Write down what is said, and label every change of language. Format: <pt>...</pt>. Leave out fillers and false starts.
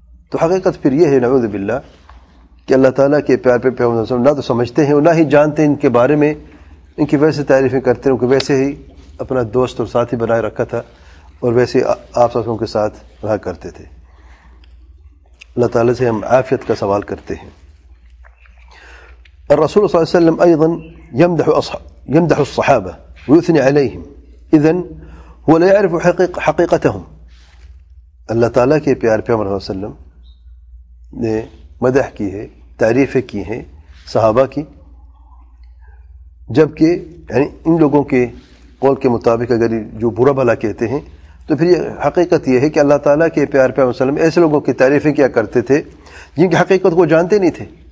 <ur>تو حقیقت پھر یہ ہے نعوذ باللہ کہ اللہ تعالیٰ کے پیار پہ پیغمبر صلی اللہ علیہ وسلم نہ تو سمجھتے ہیں اور نہ ہی جانتے ہیں ان کے بارے میں، ان کی ویسے تعریفیں کرتے ہیں، ان کو ویسے ہی اپنا دوست اور ساتھی بنائے رکھا تھا اور ویسے آپ سب ان کے ساتھ رہا کرتے تھے. اللہ تعالیٰ سے ہم عافیت کا سوال کرتے ہیں.</ur> <ar>الرسول صلی اللہ علیہ وسلم ايضا يمدح الصحابة ويثني عليهم، اذن هو لا يعرف حقيقتهم.</ar> <ur>اللہ تعالیٰ کے پیار پیغمبر صلی اللہ علیہ وسلم نے مدح کی ہے، تعریفیں کی ہیں صحابہ کی، جبکہ یعنی ان لوگوں کے قول کے مطابق اگر جو برا بھلا کہتے ہیں، تو پھر یہ حقیقت یہ ہے کہ اللہ تعالیٰ کے پیار پیغمبر صلی اللہ علیہ وسلم ایسے لوگوں کی تعریفیں کیا کرتے تھے جن کی حقیقت کو جانتے نہیں تھے.</ur>